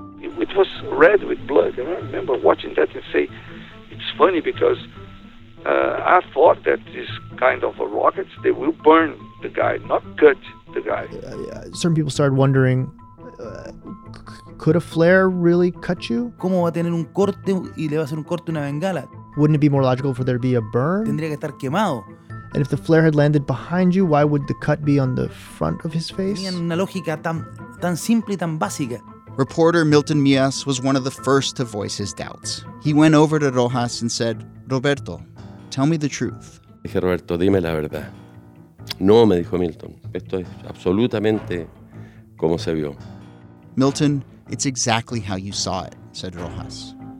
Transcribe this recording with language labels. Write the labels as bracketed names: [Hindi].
[English] It was red with blood. And I remember watching that and say, it's funny because I thought that this kind of a rocket, they will burn the guy, not cut the guy. Certain people started wondering, could a flare really cut you? [Spanish] ¿Cómo va a tener un corte y le va a hacer un corte una bengala? [English] Wouldn't it be more logical for there to be a burn? [Spanish] Tendría que estar quemado. [English] And if the flare had landed behind you, why would the cut be on the front of his face? [Spanish] Tenía una lógica tan simple y tan básica. [English] Reporter Milton Mias was one of the first to voice his doubts. He went over to Rojas and said, Roberto, tell me the truth. [Spanish] Dije, Roberto, dime la verdad. No, me dijo Milton. Esto es absolutamente como se vio. [English] Milton, it's exactly how you saw it, said Rojas.